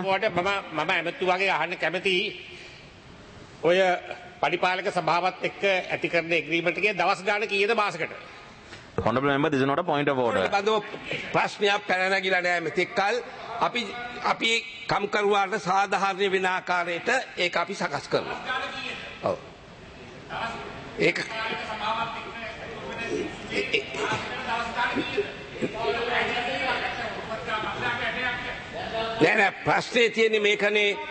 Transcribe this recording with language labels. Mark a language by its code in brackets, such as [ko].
[si] මම එමෙතුවාගේ අහන්න කැමති ඔය පරිපාලක සභාවත් එක්ක ඇති කරන agreement එකේ දවස් ගාන කීයද මාසකට? [en] Honorable Member, this is not a point of order. [si] ප්‍රශ්නයක් පැන නැගිලා නෑ මෙතෙක්කල්. අපි කම්කරුවාට සාධාරණ වෙන ආකාරයට ඒක අපි සකස් කරනවා. ඔව්. ඒක නෑ නෑ ප්‍රශ්නේ තියෙන්නේ මේකනේ.